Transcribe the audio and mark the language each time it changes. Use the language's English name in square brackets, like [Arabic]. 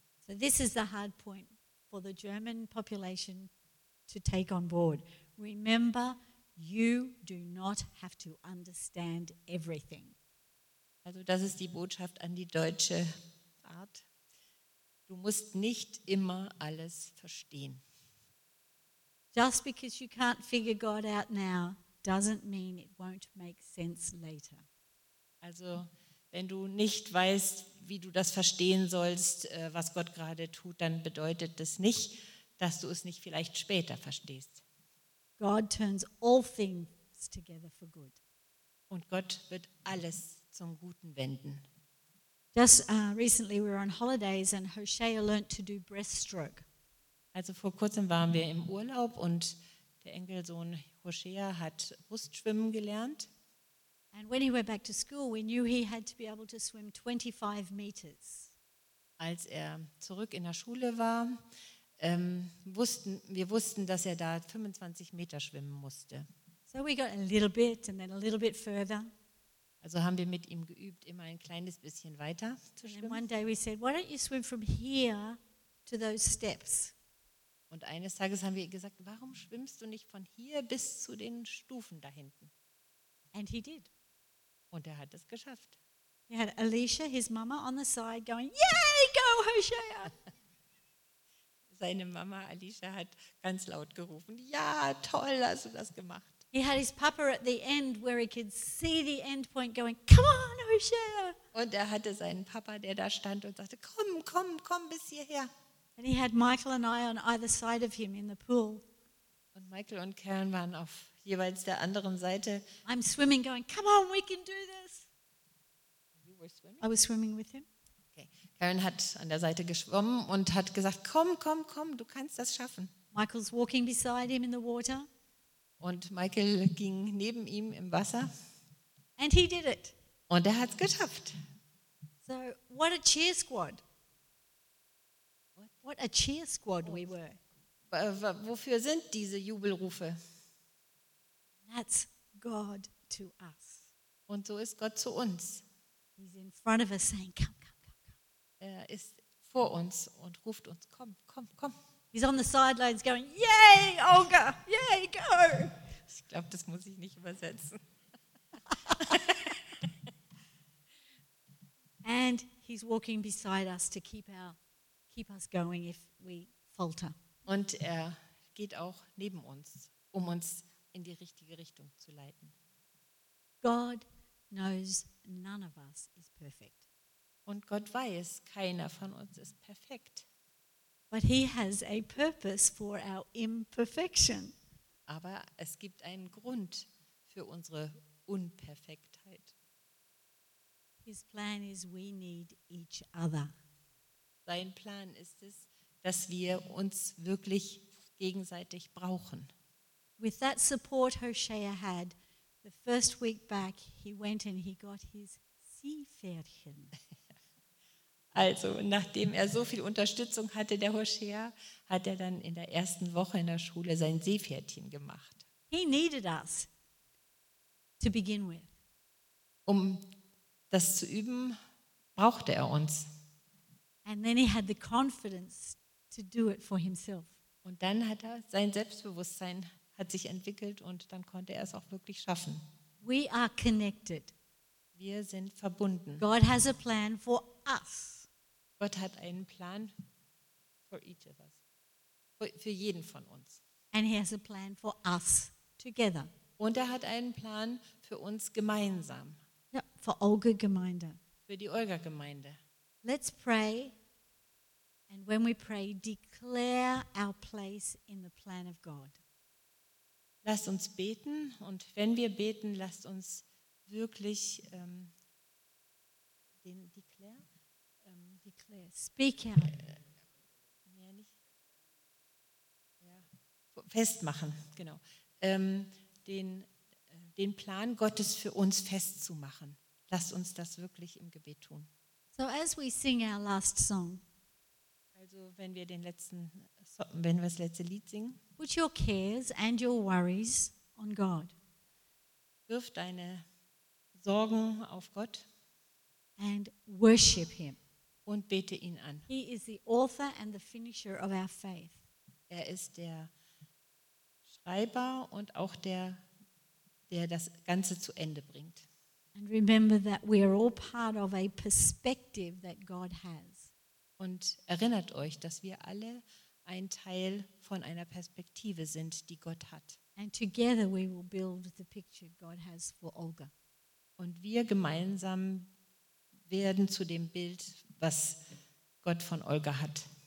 [English] So this is the hard point for the German population to take on board. Remember, you do not have to understand everything. [German] Also das ist die Botschaft an die deutsche Art. Du musst nicht immer alles verstehen. [English] Just because you can't figure God out now doesn't mean it won't make sense later. [German] Also, wenn du nicht weißt, wie du das verstehen sollst, was Gott gerade tut, dann bedeutet das nicht, dass du es nicht vielleicht später verstehst. [English] God turns all things together for good. [German] Und Gott wird alles zum Guten wenden. [English] Just recently we were on holidays and Hoshea learned to do breaststroke. [German] Also vor kurzem waren wir im Urlaub und der Enkelsohn Hoshea hat Brustschwimmen gelernt. [English] And when he went back to school, we knew he had to be able to swim 25 meters. [German] Als er zurück in der Schule war, wussten wir, dass er da 25 Meter schwimmen musste. [English] So we got a little bit and then a little bit further. [German] Also haben wir mit ihm geübt, immer ein kleines bisschen weiter zu schwimmen. [English] And one day we said, why don't you swim from here to those steps? [German] Und eines Tages haben wir gesagt, warum schwimmst du nicht von hier bis zu den Stufen da hinten? [English] And he did. [German] Und er hat es geschafft. [English] He had Alicia, his mama, on the side going, yay, go Hoshea! [German] Seine Mama Alicia hat ganz laut gerufen, ja, toll, hast du das gemacht. [English] He had his papa at the end where he could see the end point going, come on Hoshea! [German] Und er hatte seinen Papa, der da stand und sagte, komm, komm, komm bis hierher. [English] And he had Michael and I on either side of him in the pool. [German] Und Michael und Karen waren auf jeweils der anderen Seite. [English] I'm swimming going, come on, we can do this. You were swimming? I was swimming with him. Okay. [German] Karen hat an der Seite geschwommen und hat gesagt, komm, komm, komm, du kannst das schaffen. [English] Michael's walking beside him in the water. [German] Und Michael ging neben ihm im Wasser. [English] And he did it. [German] Und er hat's geschafft. [English] So, what a cheer squad. What a cheer squad we were. [German] Wofür sind diese Jubelrufe? [English] That's God to us. [German] Und so ist Gott zu uns. [English] He's in front of us saying, come, come, come, come. [German] Er ist vor uns und ruft uns, komm, komm, komm. [English] He's on the sidelines going, yay, Olga, yay, go. [German] Ich glaube, das muss ich nicht übersetzen. [English] And he's walking beside us to keep us going if we falter. [German] Und er geht auch neben uns, um uns in die richtige Richtung zu leiten. [English] God knows none of us is perfect. [German] Und Gott weiß, keiner von uns ist perfekt. [English] But he has a purpose for our imperfection. [German] Aber es gibt einen Grund für unsere Unperfektheit. [English] His plan is we need each other. [German] Sein Plan ist es, dass wir uns wirklich gegenseitig brauchen. [English] With that support Hoshea had, the first week back, he went and he got his Seepferdchen. [German] Also, nachdem er so viel Unterstützung hatte, der Hoshea, hat er dann in der ersten Woche in der Schule sein Seepferdchen gemacht. [English] He needed us to begin with. [German] Um das zu üben, brauchte er uns. [English] And then he had the confidence to do it for himself. [German] Und dann hat er sein Selbstbewusstsein hat sich entwickelt und dann konnte er es auch wirklich schaffen. [English] We are connected. [German] Wir sind verbunden. [English] God has a plan for us. [German] Gott hat einen Plan [English] for each of us. [German] Für jeden von uns. [English] And he has a plan for us together. [German] Und er hat einen Plan für uns gemeinsam. Ja, für Olga Gemeinde. Für die Olga Gemeinde. [English] Let's pray. And when we pray, declare our place in the plan of God. [German] Lasst uns beten, und wenn wir beten, lasst uns wirklich den declare, [English] declare, speak out. [German] Mehr nicht. Ja, festmachen, genau. Den Plan Gottes für uns festzumachen. Lasst uns das wirklich im Gebet tun. [English] So as we sing our last song. [German] Also wenn wir den letzten, wenn wir das letzte Lied singen. [English] Put your cares and your worries on God. [German] Wirf deine Sorgen auf Gott. [English] And worship him. [German] Und bete ihn an. [English] He is the author and the finisher of our faith. [German] Er ist der Schreiber und auch der das Ganze zu Ende bringt. [English] And remember that we are all part of a perspective that God has. [German] Und erinnert euch, dass wir alle ein Teil von einer Perspektive sind, die Gott hat. [English] And together we will build the picture God has for Olga. [German] Und wir gemeinsam werden zu dem Bild, was Gott von Olga hat.